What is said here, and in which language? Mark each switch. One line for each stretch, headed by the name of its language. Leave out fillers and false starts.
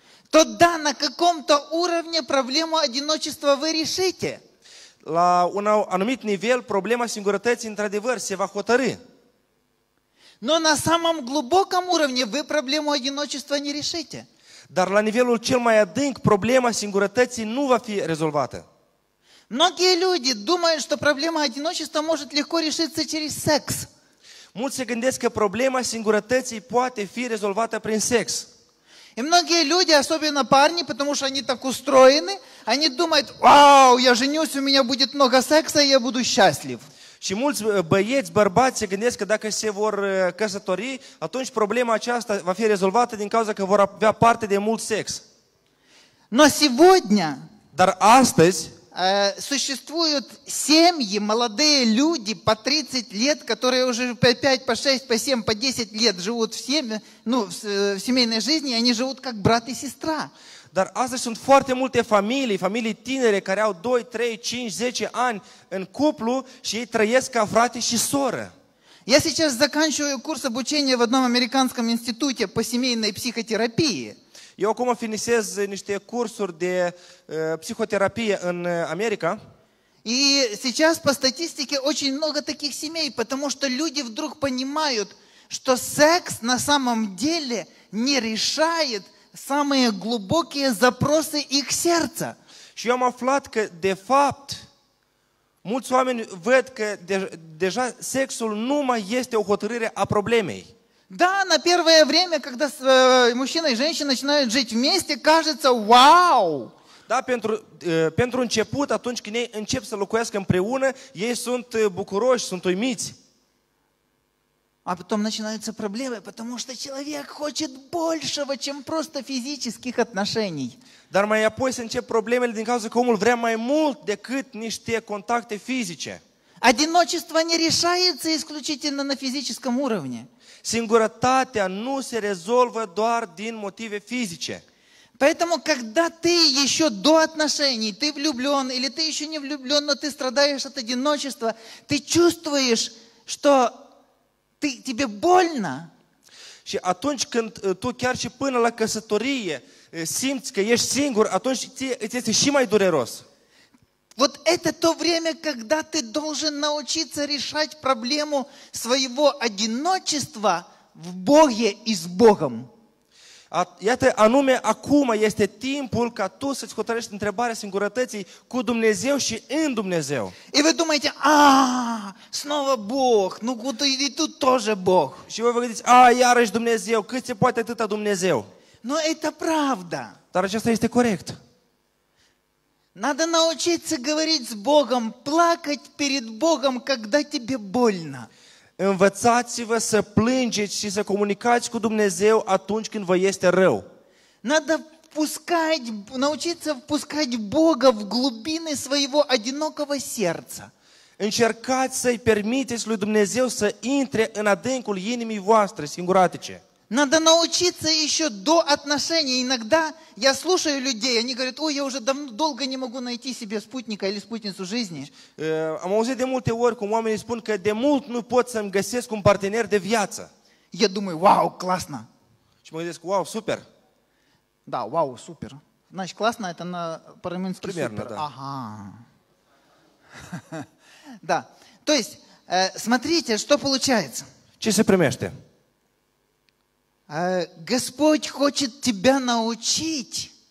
Russian: то да, на каком-то уровне проблему одиночества вы решите.
Romanian: La un anumit nivel problema singurătății într-adevăr se va hotărî.
Russian: Но на самом глубоком уровне вы проблему одиночества не решите.
Romanian: Dar la nivelul cel mai adânc problema singurătății nu va fi rezolvată.
Russian: Многие люди думают, что проблема одиночества может легко решиться через секс.
Romanian: Mulți se gândesc că problema singurătății poate fi rezolvată prin sex.
Russian: И многие люди, особенно парни, потому что они так устроены, они думают: «Вау, я женюсь, у меня будет много секса, и я буду счастлив».
Romanian: Și mulți băieți, bărbați se gândesc că dacă se vor căsători, atunci problema aceasta va fi rezolvată din cauza că vor avea parte de mult sex.
Russian: Но сегодня,
Romanian: dar astăzi,
Russian: существуют семьи, молодые люди по 30 лет, которые уже по 5, по 6, по 7, по 10 лет живут в семье, ну, в семейной жизни, и они живут как брат и сестра.
Romanian: Dar astăzi sunt foarte multe familii, familii tinere care au 2, 3, 5, 10 ani în cuplu și ei trăiesc ca frate și soră.
Russian: Я сейчас заканчиваю курс обучения в одном американском институте по семейной психотерапии.
Romanian: Eu acum finisez niște cursuri de psihoterapie în America.
Russian: И сейчас по статистике очень много таких семей, потому что люди вдруг понимают, что секс на самом деле не решает самые глубокие запросы их сердца.
Romanian: Și eu am aflat că de fapt mulți oameni văd că deja sexul nu mai este o hotărâre a problemei.
Russian: Да, на первое время, когда мужчина и женщина начинают жить вместе, кажется: «Вау!»
Romanian: Да, pentru început, atunci când ei încep să locuiască împreună, ei sunt bucuroși, sunt uimiți.
Russian: А потом начинаются проблемы, потому что человек хочет большего, чем просто физических отношений.
Romanian: Dar mai apoi se încep problemele din cauza că omul vrea mai mult decât niște contacte fizice.
Russian: Одиночество не решается исключительно на физическом уровне.
Romanian: Singurătatea nu se rezolvă doar din motive fizice.
Russian: Поэтому, когда ты еще до отношений, ты влюблен или ты еще не влюблен, но ты страдаешь от одиночества, ты чувствуешь, что тебе больно.
Romanian: Și atunci când tu chiar și până la căsătorie simți că ești singur, atunci ți este și mai dureros.
Russian: Вот это то время, когда ты должен научиться решать проблему своего одиночества в Боге и с Богом.
Romanian: Iată, anume acum este timpul ca tu să-ți hotărăști întrebarea singurătății cu Dumnezeu și în Dumnezeu.
Russian: И вы думаете: «А, снова Бог, ну и тут тоже Бог».
Romanian: Și voi vă gândiți: «А, iarăși Dumnezeu, cât se poate atâta Dumnezeu».
Russian: Но это правда.
Romanian: Dar aceasta este corect.
Russian: Надо научиться говорить с Богом, плакать перед Богом, когда тебе больно.
Romanian: Învățați-vă să plângeți și să comunicați cu Dumnezeu atunci când vă este rău.
Russian: Надо пускать, научиться впускать Бога в глубины своего одинокого сердца.
Romanian: Încercați să-i permiteți lui Dumnezeu să intre în adâncul inimii voastre singuratice.
Russian: Надо научиться еще до отношений. Иногда я слушаю людей, они говорят: ой, я уже давно, долго не могу найти себе спутника или спутницу жизни.
Romanian: Am auzit de multe ori, cum oamenii spun că de mult nu pot să-mi găsesc un partener de viață.
Russian: Я думаю: вау, классно.
Romanian: Și mă gândesc:
Russian: вау, супер. Да, вау, супер. Значит, классно, это на по-румынски супер. Примерно, да. Ага. Да, то есть, смотрите, что получается.
Romanian: Ce se primește?
Russian: Господь хочет тебя научить.